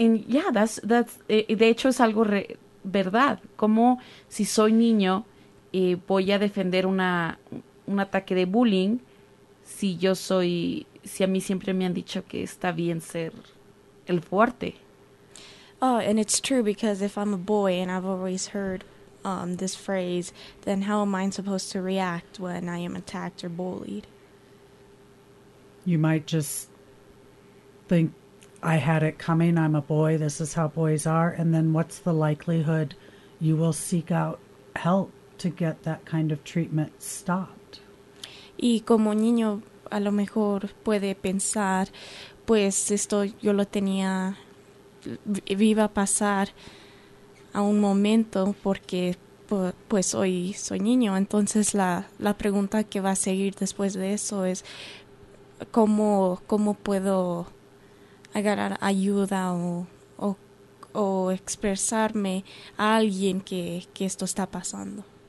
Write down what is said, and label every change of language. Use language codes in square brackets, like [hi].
[en] And yeah, [es] de hecho es algo verdad, como si soy niño voy a defender un ataque de bullying si yo soy, si a mí siempre me han dicho que está bien ser el fuerte. [en] Oh, and it's true, because if I'm a boy and I've always heard this phrase, then how am I supposed to react when I am attacked or bullied? You might just think, I had it coming, I'm a boy, this is how boys are, and then what's the likelihood you will seek out help to get that kind of treatment stopped? [es] Y como niño, a lo mejor puede pensar, pues esto yo lo tenía, iba a pasar a un momento porque pues hoy soy niño. Entonces la pregunta que va a seguir después de eso es, ¿cómo puedo agarrar ayuda o expresarme a alguien que esto está pasando?